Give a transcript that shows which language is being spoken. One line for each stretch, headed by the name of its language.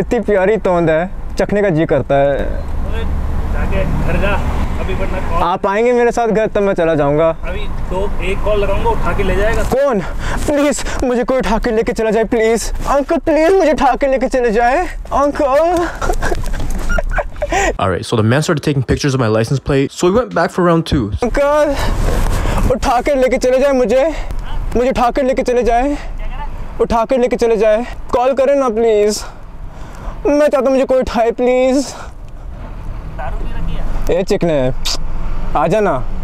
Hindi: इतनी प्यारी तोंद है चखने का जी करता है जाके घर जा अभी वरना कॉल आप आएंगे मेरे साथ घर तब मैं चला जाऊंगा अभी दो एक कॉल लगाऊंगा उठा के ले जाएगा कौन प्लीज मुझे कोई उठा के लेके चला जाए प्लीज अंकल प्लीज मुझे उठा के लेके चले जाए uncle
English: All right, so the man started taking pictures of my license plate. So we went back for round two.
Hindi: Uncle, उठा के लेके चले जाए मुझे, मुझे उठा के लेके चले जाए, उठा के लेके चले जाए. Call करें ना please. मैं चाहता हूँ मुझे कोई उठाए please. दारू भी रखी है. ए चिकने, आ जाना.